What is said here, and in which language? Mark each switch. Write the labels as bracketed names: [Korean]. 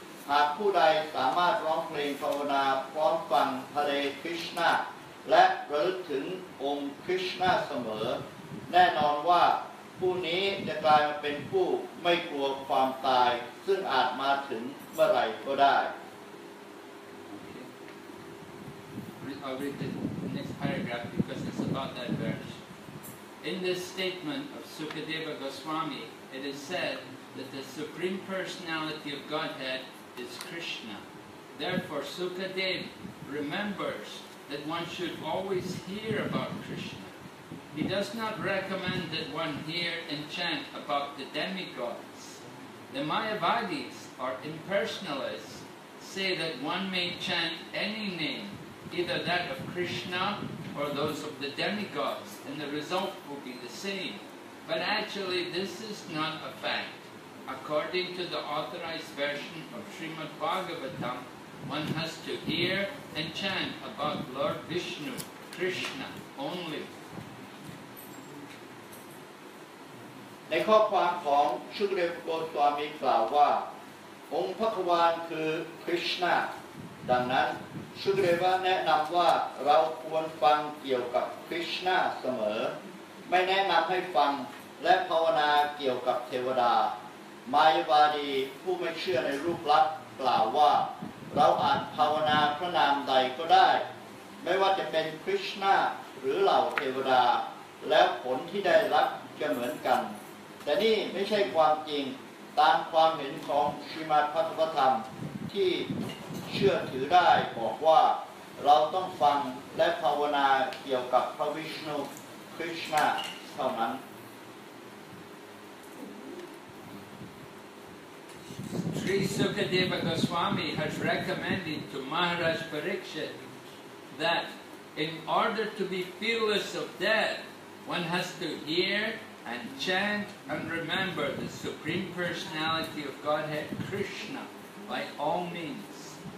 [Thai] หากผู้ใดสามารถร้องเพลงภาวนาพร้อมฟังพระเดชคริชนาและระลึกถึงองค์คริชนาเสมอ แน่นอนว่าผู้นี้จะกลายมาเป็นผู้ไม่กลัวความตายซึ่งอาจมาถึงเมื่อไหร่ก็ได้ [English] I'll read the next paragraph because it's about that verse. In this statement of Sukadeva Goswami, it is said that the Supreme Personality of Godhead is Krishna. Therefore, Sukadeva remembers that one should always hear about Krishna. He does not recommend that one hear and chant about the demigods. The Mayavadis or impersonalists say that one may chant any name, either that of Krishna or those of the demigods, and the result will be the same. But actually, this is not a fact. According to the authorized version of Srimad Bhagavatam, one has to hear and chant about Lord Vishnu, Krishna, only. [Thai] ในข้อความของชุกเดวโกสวามีกล่าวว่าองค์พระควานคือคริชนาดังนั้นชุกเดวะแนะนำว่าเราควรฟังเกี่ยวกับคริชนาเสมอไม่แนะนำให้ฟังและภาวนาเกี่ยวกับเทวดา มายาวาดีผู้ไม่เชื่อในรูปลักษณ์กล่าวว่าเราอาจภาวนาพระนามใดก็ได้ไม่ว่าจะเป็นคริชนาหรือเหล่าเทวดาและผลที่ได้รับจะเหมือนกันแต่นี่ไม่ใช่ความจริงตามความเห็นของชรีมัทพระธรรมที่เชื่อถือได้บอกว่าเราต้องฟังและภาวนาเกี่ยวกับพระวิษณุคริชนาเท่านั้น [English] Sri Sukadeva Goswami has recommended to Maharaj Parikshit that in order to be fearless of death, one has to hear and chant and remember the Supreme Personality of Godhead Krishna by all means.